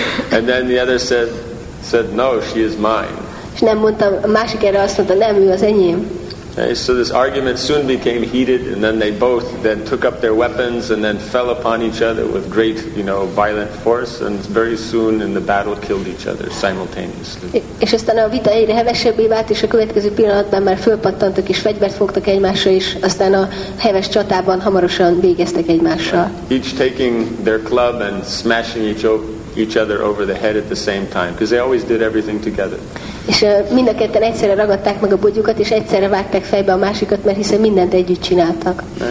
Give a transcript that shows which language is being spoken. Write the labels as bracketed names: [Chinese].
[English] And then the other said, "No, she is mine." [Hungarian] És nem mondta, a másik erre azt mondta, nem, ő az enyém. [English] Okay, so this argument soon became heated, and then they both then took up their weapons and then fell upon each other with great, you know, violent force, and very soon in the battle killed each other simultaneously. [Hungarian] És aztán a vita egyre hevesebbé vált, és a következő pillanatban már fölpattantak és fegyvert fogtak egymásra, és aztán a heves csatában hamarosan végeztek egymással. [English] Each taking their club and smashing each other over the head at the same time, because they always did everything together. [Hungarian] És mind a ketten egyszerre ragadták meg a bogyókat, és egyszerre vágták fejbe a másikat, mert hiszen mindent együtt csináltak.